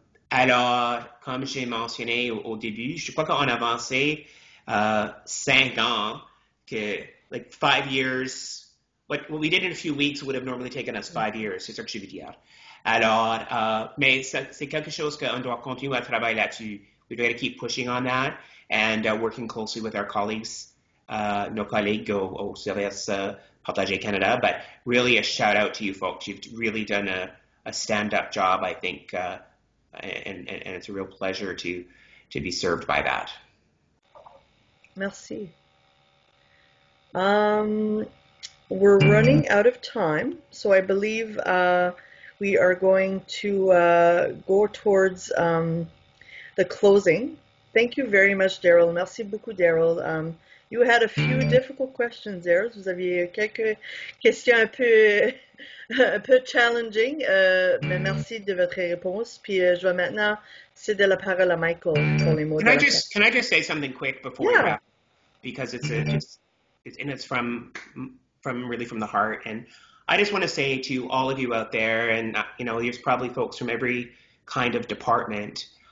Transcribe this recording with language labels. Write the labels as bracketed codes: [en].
[fr] Alors, comme j'ai mentionné au début, je crois qu'on a avancé 5 ans, que, [en] like, 5 years, what we did in a few weeks would have normally taken us 5 years, [fr] c'est ça que je veux dire. Alors, mais c'est quelque chose qu'on doit continuer à travailler là-dessus. [en] We've got to keep pushing on that and working closely with our colleagues, [fr] nos collègues au Service Partagé Canada, [en] but really a shout out to you folks. You've really done a stand-up job, I think, And it's a real pleasure to be served by that. [fr] Merci. [en] We're running out of time, so I believe we are going to go towards the closing. Thank you very much, Daryell. [fr] Merci beaucoup, Daryell. [en] You had a few difficult questions there. [fr] Vous aviez quelques questions un peu challenging, mais merci de votre réponse. Puis je vais maintenant céder la parole à Michael pour les mots. [en] Can I just say something quick before you wrap? Because it's from the heart. And I just want to say to all of you out there, and you know, there's probably folks from every kind of department.